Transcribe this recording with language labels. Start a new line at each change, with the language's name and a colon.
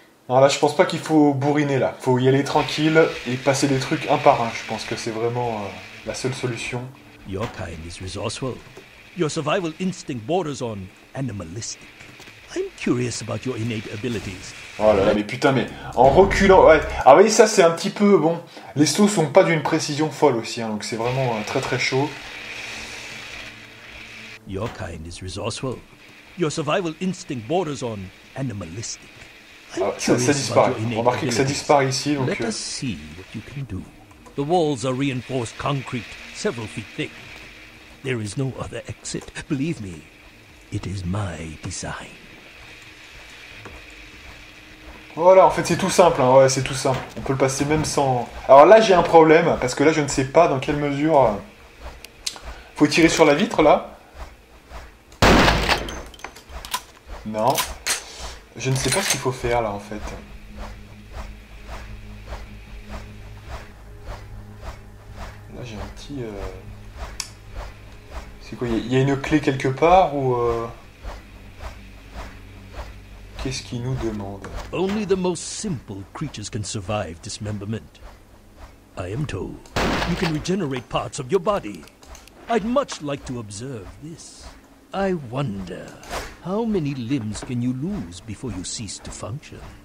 French: Alors là, je pense pas qu'il faut bourriner là. Faut y aller tranquille et passer des trucs un par un. Je pense que c'est vraiment la seule solution.
English: Your kind is resourceful. Your survival instinct borders on animalistic. I'm curious about your innate abilities.
French: Oh là là, mais putain, mais en reculant, ouais. Ah oui, ça c'est un petit peu bon. Les sauts sont pas d'une précision folle aussi, hein, donc c'est vraiment très très chaud.
English: Your kind is resourceful. Your survival instinct borders on animalistic.
French: Ça disparaît. Remarquez que ça disparaît ici. Donc,
English: let us see what you can do. The walls are reinforced concrete, several feet thick. There is no other exit. Believe me, it is my design.
French: Voilà, en fait, c'est tout simple. Hein. Ouais, c'est tout simple. On peut le passer même sans. Alors là, j'ai un problème parce que là, je ne sais pas dans quelle mesure. Faut tirer sur la vitre là. Non. Je ne sais pas ce qu'il faut faire là en fait. Là j'ai un petit. C'est quoi? Il y a une clé quelque part ou. Qu'est-ce qu'il nous demande?
English: Only the most simple creatures can survive dismemberment. I am told you can regenerate parts of your body. I'd much like to observe this. I wonder. How many limbs can you lose before you cease to function?